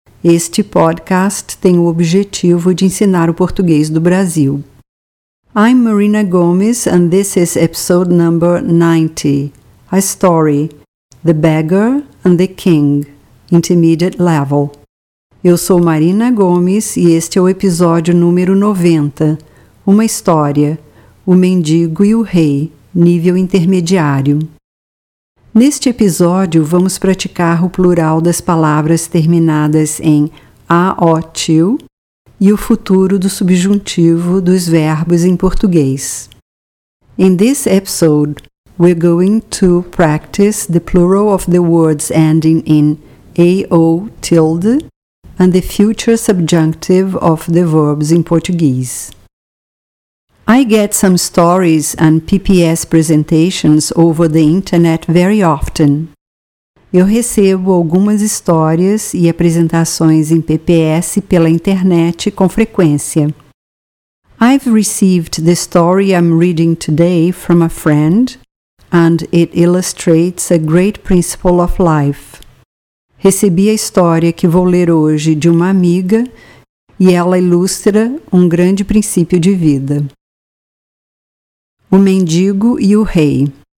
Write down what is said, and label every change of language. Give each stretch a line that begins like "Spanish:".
Portuguese: Este podcast tem o objetivo de ensinar o português do Brasil.
English: I'm Marina Gomes and this is episode number 90. A story, The Beggar and the King, Intermediate Level.
Portuguese: Eu sou Marina Gomes e este é o episódio número 90, uma história, O Mendigo e o Rei, nível intermediário. Neste episódio, vamos praticar o plural das palavras terminadas em a-o-tio e o futuro do subjuntivo dos verbos em português.
English: In this episode, we're going to practice the plural of the words ending in a-o-tilde and the future subjunctive of the verbs in Portuguese. I get some stories and PPS presentations over the internet very often.
Portuguese: Eu recebo algumas histórias e apresentações em PPS pela internet com frequência.
English: I've received the story I'm reading today from a friend, and it illustrates a great principle of life.
Portuguese: Recebi a história que vou ler hoje de uma amiga e ela ilustra um grande princípio de vida. O Mendigo e o Rei.